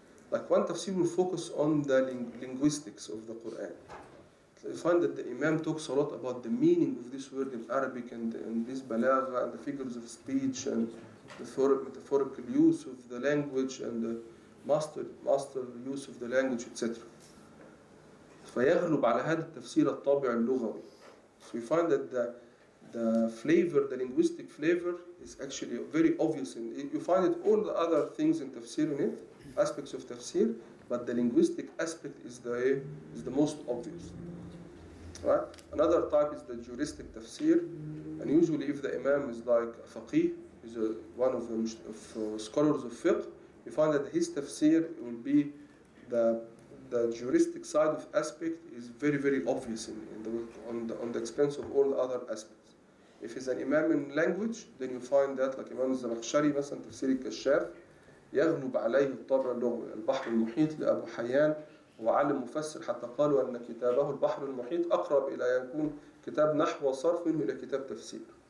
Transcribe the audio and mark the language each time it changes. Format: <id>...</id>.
<en>Like one tafsir will focus on the linguistics of the Qur'an. So you find that the imam talks a lot about the meaning of this word in Arabic and this balagha and the figures of speech and the metaphorical use of the language and the master use of the language, etc.</en> <ar>فيغلب على هذا التفسير الطابع اللغوي.</ar> <en>So we find that the flavor, the linguistic flavor, is actually very obvious. And you find it all the other things in tafsir in it, aspects of tafsir, but the linguistic aspect is the most obvious. Right? Another type is the juristic tafsir. And usually if the imam is like a faqih, is one of the scholars of fiqh, you find that his tafsir will be the juristic side of aspect is very, very obvious on the expense of all the other aspects. If he's an imam in language, then you find that like Imam al-Zamakhshari,</en> <ar>مثلا تفسير الكشاف يغلب عليه الطبع اللغوي البحر المحيط لأبو حيان وعلم مفسر حتى قالوا أن كتابه البحر المحيط أقرب إلى يكون كتاب نحو وصرف منه إلى كتاب تفسير.</ar>